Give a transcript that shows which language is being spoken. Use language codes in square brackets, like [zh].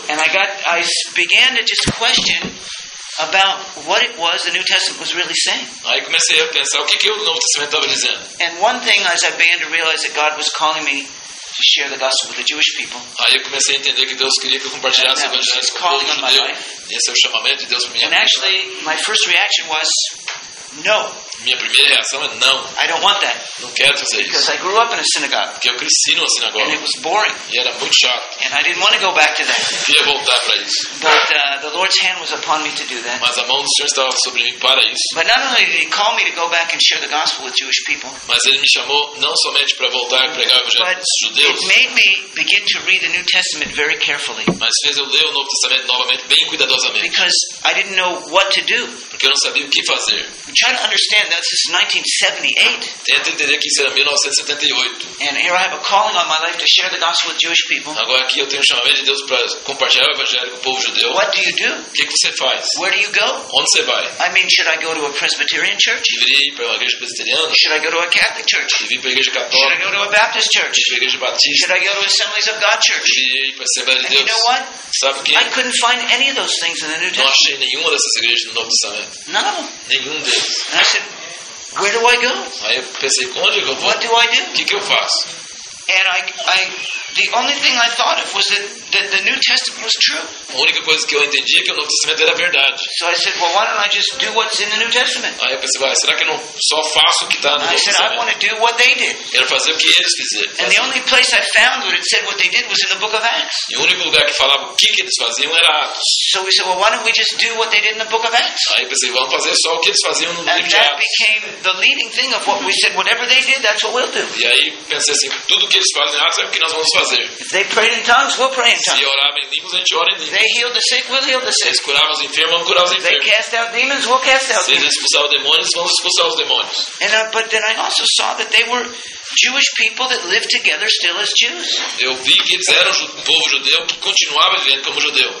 [en] And I began to just question about what it was the New Testament was really saying. [pt] Aí comecei a pensar o que o Novo Testamento estava dizendo. [en] And one thing as I began to realize that God was calling me to share the gospel with the Jewish people. [pt] Aí eu comecei a entender que Deus queria que eu compartilhasse o evangelho com os judeus. [en] that was calling on my life. [pt] Esse é o chamamento de Deus para mim. [en] And actually, my first reaction was no. [pt] Minha primeira reação é não. [en] I don't want that. [pt] Não quero fazer [en] because [pt] isso. [en] Because I grew up in a synagogue. [pt] Porque eu cresci numa sinagoga. [en] And it was boring. [pt] E era muito chato. [en] And I didn't want to go back to that. [pt] Eu queria voltar para isso. [en] But the Lord's hand was upon me to do that. [pt] Mas a mão do Senhor estava sobre mim para isso. [en] But not only did He call me to go back and share the gospel with Jewish people. [pt] Mas Ele me chamou não somente para voltar e pregar o evangelho aos judeus. [en] But it made me begin to read the New Testament very carefully. [pt] Mas fez eu ler o Novo Testamento novamente bem cuidadosamente. [en] Because I didn't know what to do. [pt] Porque eu não sabia o que fazer. [en] Try to understand. That's just 1978. [pt] Tenta entender que isso era 1978. [en] And here I have a calling on my life to share the gospel with Jewish people. [pt] Agora aqui eu tenho um chamamento de Deus para compartilhar o evangelho com o povo judeu. [en] What do you do? [pt] Que você faz? [en] Where do you go? [pt] Onde você vai? [en] I mean, should I go to a Presbyterian church? [pt] Deveria ir para uma igreja presbiteriana? [en] Should I go to a Catholic church? [pt] Deveria ir para a igreja católica? [en] Should I go to a Baptist church? [pt] Deveria ir para a igreja batista? [en] Should I go to Assemblies of God church? [pt] Deveria ir para a Assembleia de Deus? [en] And you know what? [pt] Sabe quem? [en] I couldn't find any of those things in the New Testament. [pt] Não achei nenhuma dessas igrejas no Novo Testamento. [en] None of them. [pt] Nenhum deles. [en] And I said, where do I go? [pt] Aí eu pensei, onde eu vou? [en] What do I do? [pt] Que eu faço? [en] And I the only thing I thought of was that the New Testament was true. [pt] A única coisa que eu entendi é que o Novo Testamento era verdade. [en] So I said, well, why don't I just do what's in the New Testament? [pt] Aí eu pensei, vai, será que eu não só faço o que está no Novo [en] I said, [pt] Testamento? [en] I want to do what they did. [pt] Quero fazer o que eles fizeram. [en] And the only place I found where it said what they did was in the book of Acts. [pt] E o único lugar que falava o que eles faziam era Atos. [en] So we said, well, why don't we just do what they did in the book of Acts? [pt] Aí eu pensei, vamos fazer só o que eles faziam no [en] and [pt] livro de Atos. [en] And that became the leading thing of what we said, whatever they did, that's what we'll do. [pt] E aí pensei assim, tudo que eles fazem em Atos é o que nós vamos fazer. [en] If they prayed in tongues, we'll pray in tongues. [pt] Se orarem em línguas, a gente ora em línguas. [en] They healed the sick, we'll heal the sick. [pt] Se eles curavam os enfermos, vamos curar os enfermos. [en] They cast out demons, we'll cast out demons. [pt] Se eles expulsavam os demônios, vamos expulsar os demônios. [en] And but then I also saw that they were Jewish people that lived together still as Jews. [pt] Eu vi que eles eram um povo judeu que continuava vivendo como judeu.